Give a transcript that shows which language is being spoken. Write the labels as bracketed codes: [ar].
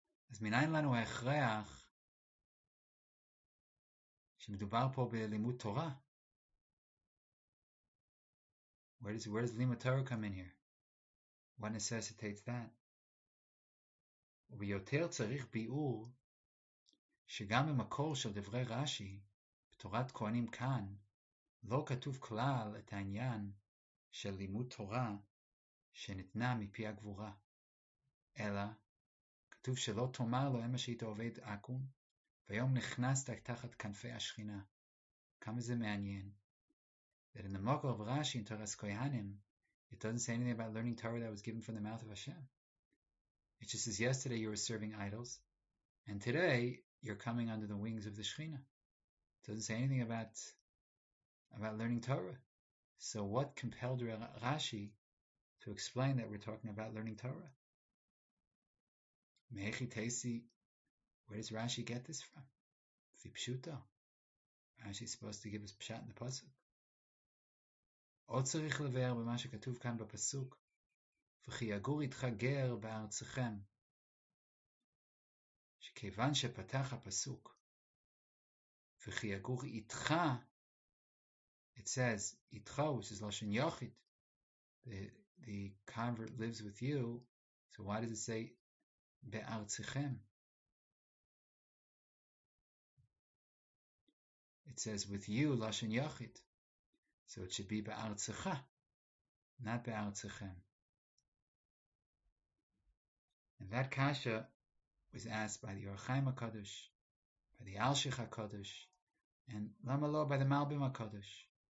[he] As minayin lanu echreach, shemedubar po b'limud Torah. [en] Where does limud Torah come in here? What necessitates that? [he] ויותר צריך ביאור שגם במקור של דברי רש"י בתורת כהנים כאן לא כתוב כלל את העניין של לימוד תורה שניתנה מפי הגבורה אלא כתוב שלא תאמר לו אמש היית עובד עקום והיום נכנסת תחת כנפי השכינה כמה זה מעניין [en] that in the Makor of Rashi in Toras Kohanim it doesn't say anything about learning Torah that was given from the mouth of Hashem. It just says yesterday you were serving idols, and today you're coming under the wings of the Shekhinah. It doesn't say anything about learning Torah. So what compelled Rashi to explain that we're talking about learning Torah? [he] Meichi Tesi, [en] where does Rashi get this from? Fipshuto. Rashi's supposed to give us pshat in the Pasuk. [he] Od tzarich lever b'ma shekatuv kan b'pasuk. וכי יגור איתך גר בארצכם, שכיוון שפתח הפסוק, וכי יגור איתך, it says, איתך, which is לשון יוחיד, [en] the convert lives with you, so why does it say, [he] בארצכם? [en] It says, with you, [he] לשון יוחיד, [en] so it should be בארצך, not בארצכם. And that kasha was asked by the Or Chaim HaKadosh, by the Alshich HaKadosh, and lama lo by the Malbim HaKadosh.